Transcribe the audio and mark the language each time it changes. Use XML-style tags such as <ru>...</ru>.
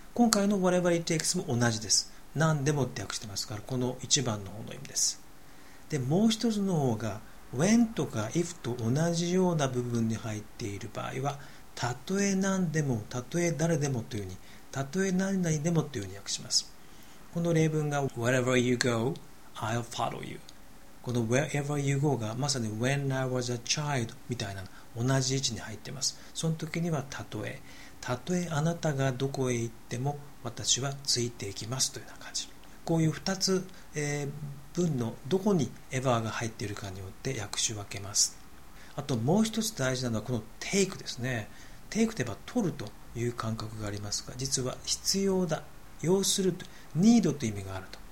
<ja>今回の whatever it takes も同じです。何でもって訳してますから、この一番の方の意味です。で、もう一つの方が when とか if と同じような部分に入っている場合は、たとえ何でも、たとえ誰でもというふうに、たとえ何々でもというふうに訳します。この例文が</ja> <en>wherever you go I'll follow you、</en> <ja>この wherever you go がまさに</ja> <en>when I was a child</en> <ja>みたいな同じ位置に入っています。その時にはたとえ、たとえあなたがどこへ行っても私はついていきますというような感じ。こういう2つ、文のどこにエヴァーが入っているかによって訳し分けます。あともう一つ大事なのはこのテイクですね。テイクといえば取るという感覚がありますが、実は必要だ、要すると、 need という意味があると。</ja>